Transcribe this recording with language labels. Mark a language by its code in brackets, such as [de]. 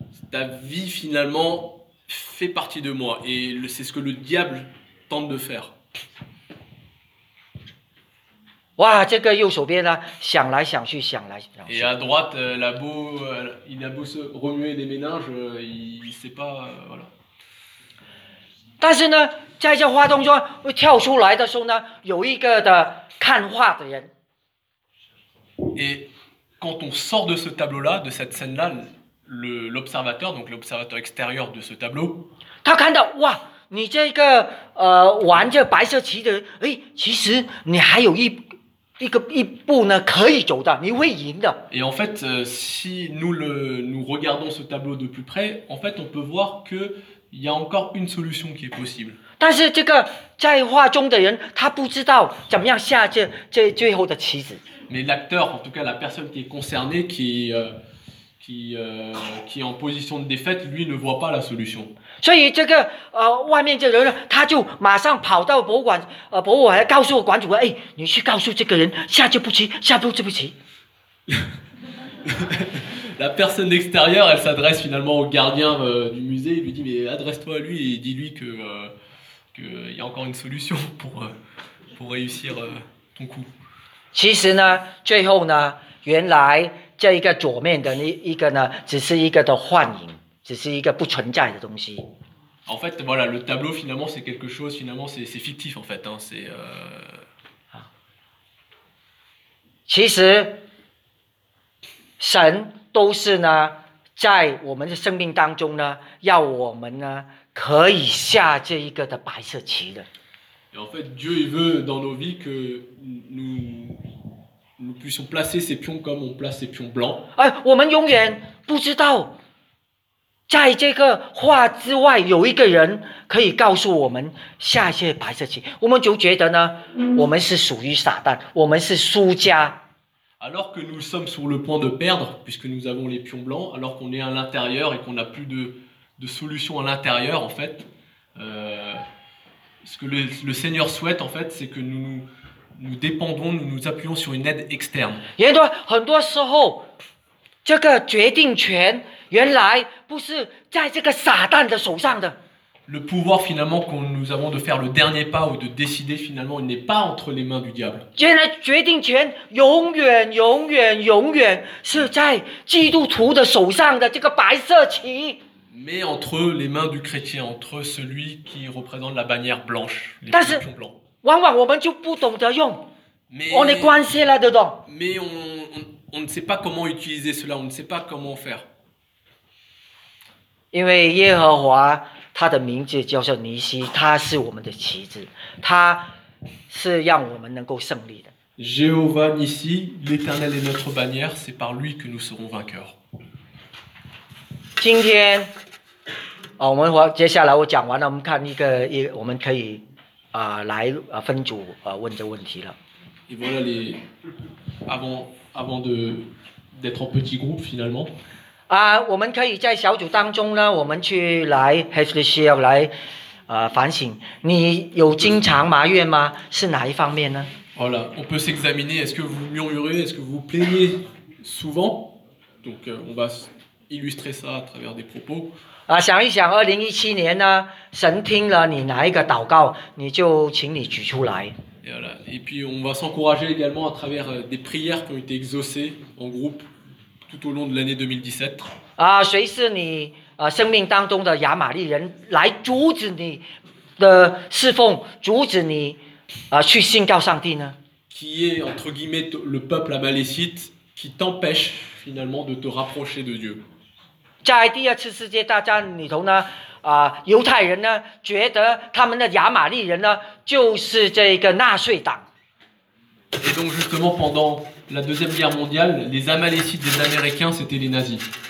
[fr] Ta vie finalement fait partie de moi et c'est ce que le diable tente de faire. [zh] 哇，这个右手边呢，想来想去，想来想去。 [fr] Et à droite, la beau, il a beau se remuer les méninges, il sait pas, voilà. [zh] 但是呢，在这画中中跳出来的时候呢，有一个的看画的人。 [fr] Et quand on sort de ce tableau-là, de cette scène-là. L'observateur, donc l'observateur extérieur de ce tableau, [zh] 他看到哇，你这个玩着白色棋的，哎，其实你还有一步呢，可以走的，你会赢的。 [fr] Et en fait, si nous regardons ce tableau de plus près, en fait, on peut voir que il y a encore une solution qui est possible. [zh] 但是这个在画中的人，他不知道怎么样下这最后的棋子。 [fr] Mais l'acteur, en tout cas la personne qui est concernée, qui est en position de défaite, lui ne voit pas la solution. [zh] 所以这个外面这个人，他就马上跑到博物馆，告诉馆主，哎，你去告诉这个人，下这步棋，下步这步棋。 [fr] La personne extérieure, elle s'adresse finalement au gardien du musée, lui dit, mais adresse-toi à lui et dis-lui que il y a encore une solution pour réussir ton coup. [zh] 其实呢，最后呢，原来。这一个左面的那一个呢，只是一个的幻影，只是一个不存在的东西。 [fr] En fait, voilà, le tableau finalement c'est quelque chose, finalement c'est fictif en fait, hein, c'est. [zh] 其实，神都是呢，在我们的生命当中呢，要我们呢可以下这一个的白色棋的。 [fr] Et en fait, Dieu il veut dans nos vies que nous puissions placer ces pions comme on place ces pions blancs. [zh] 哎，我们永远不知道，在这个画之外有一个人可以告诉我们下一些白色棋。我们就觉得呢，我们是属于撒旦，我们是输家。 [fr] Alors que nous sommes sur le point de perdre, puisque nous avons les pions blancs, alors qu'on est à l'intérieur et qu'on n'a plus de solution à l'intérieur, en fait, ce que le Seigneur souhaite, en fait, c'est que nous dépendons, nous nous appuyons sur une aide externe. [zh] 原来很多时候，这个决定权原来不是在这个撒旦的手上的。 [fr] Le pouvoir finalement que nous avons de faire le dernier pas ou de décider finalement, il n'est pas entre les mains du diable. [zh] 原来决定权永远永远永远是在基督徒的手上的这个白色旗。 [fr] Mais entre les mains du chrétien, entre celui qui représente la bannière blanche, les pions blancs. [zh] 往往我们就不懂得用 [fr] on est coincé là-dedans. Mais on ne sait pas comment utiliser cela, on ne sait pas comment faire. [zh] 因为耶和华他的名字叫做尼西，他是我们的旗帜，他是让我们能够胜利的。 [fr] Jéhovah Nissi, l'Éternel est notre bannière, c'est par lui que nous serons vainqueurs. [zh] 今天，我们接下来我讲完了，我们看一个，我们可以。来分组问这问题了。 [fr] Et voilà les avant d'être en petit groupe finalement. [zh] 我们可以在小组当中呢，我们去来 HCL 来反省。你有经常埋怨吗？是哪一方面呢 [fr] ？Voilà, on peut s'examiner. Est-ce que vous murmurez? Est-ce que vous plaignez souvent? Donc on va illustrer ça à travers des propos. [zh] 想一想2017年呢，神听了你哪一个祷告，你就请你举出来。 [fr] Et puis on va s'encourager également à travers des prières qui ont été exaucées en groupe tout au long de l'année 2017. [zh] 谁是你生命当中的亚玛利人来阻止你的侍奉，阻止你去信告上帝呢 [fr] ？Qui est entre guillemets le peuple amalécite qui t'empêche finalement de te rapprocher de Dieu？ [zh] 在第二次世界大战里头呢，犹太人呢觉得他们的亚玛利人呢就是这个纳粹党。 [fr] Et donc justement, pendant la Deuxième Guerre mondiale, les Amalécites des Américains, c'était les nazis.